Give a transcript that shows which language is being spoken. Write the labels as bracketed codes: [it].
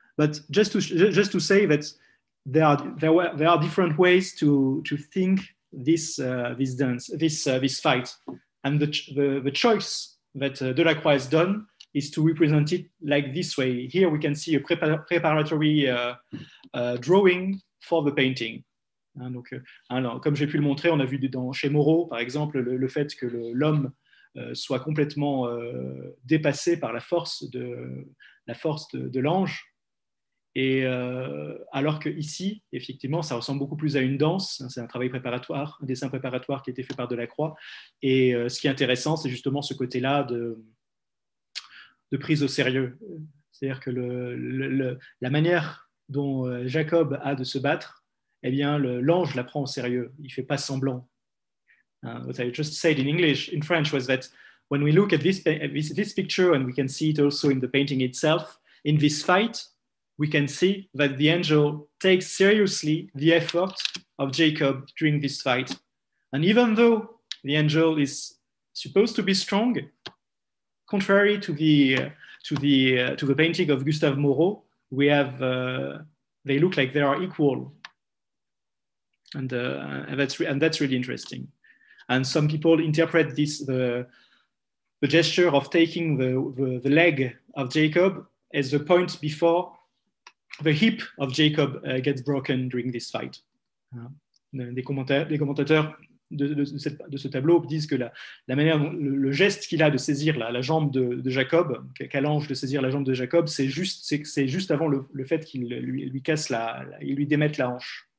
[en] But just to say that there are different ways to think this dance, this fight, and the choice that Delacroix has done is to represent it like this way. Here we can see a preparatory drawing for the painting. [fr] Comme j'ai pu le montrer, on a vu chez Moreau, par exemple, le fait que l'homme soit complètement dépassé par la force de l'ange, Et alors que ici, effectivement, ça ressemble beaucoup plus à une danse. C'est un travail préparatoire, un dessin préparatoire qui a été fait par Delacroix. Et ce qui est intéressant, c'est justement ce côté-là de prise au sérieux. C'est-à-dire que la manière dont Jacob a de se battre, eh bien, l'ange la prend au sérieux. Il fait pas semblant. [en] What I just said in English, in French, was that when we look at this picture and we can see it also in the painting itself, in this fight, we can see that the angel takes seriously the effort of Jacob during this fight. And even though the angel is supposed to be strong, contrary to the painting of Gustave Moreau, we have they look like they are equal. And that's really interesting. And some people interpret this the gesture of taking the leg of Jacob as the point before the hip of Jacob gets broken during this fight. [fr] Les commentateurs de ce tableau disent que la manière, le geste qu'il a de saisir la jambe de Jacob, qu'a l'ange de saisir la jambe de Jacob, c'est juste avant le fait qu'il lui casse il lui démette la hanche.